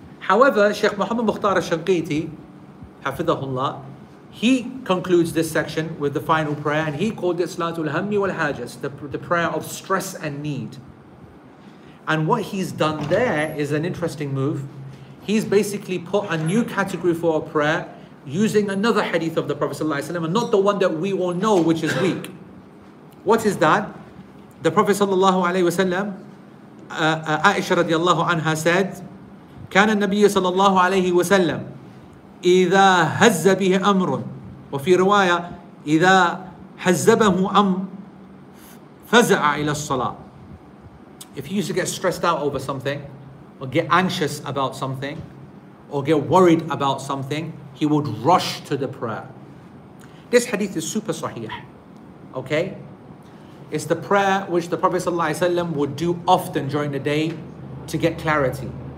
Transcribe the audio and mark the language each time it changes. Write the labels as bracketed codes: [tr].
[en] However, Shaykh Muhammad Mukhtar al-Shanqiti, Hafidhahullah, he concludes this section with the final prayer, and he called it Salat al-Hammi wal-Hajas, the prayer of stress and need. And what he's done there is an interesting move. He's basically put a new category for a prayer using another hadith of the Prophet ﷺ, and not the one that we all know, which is weak. What is that? The Prophet sallallahu alayhi wasallam, Aisha radiallahu anha said, [ar] كان النبي صلى الله عليه وسلم إذا هز به أمر وفي رواية إذا حزبه أمر فزع إلى الصلاة. [en] If he used to get stressed out over something, or get anxious about something, or get worried about something, he would rush to the prayer. This hadith is super sahih. Okay? It's the prayer which the Prophet sallallahu alaihi wasallam would do often during the day to get clarity.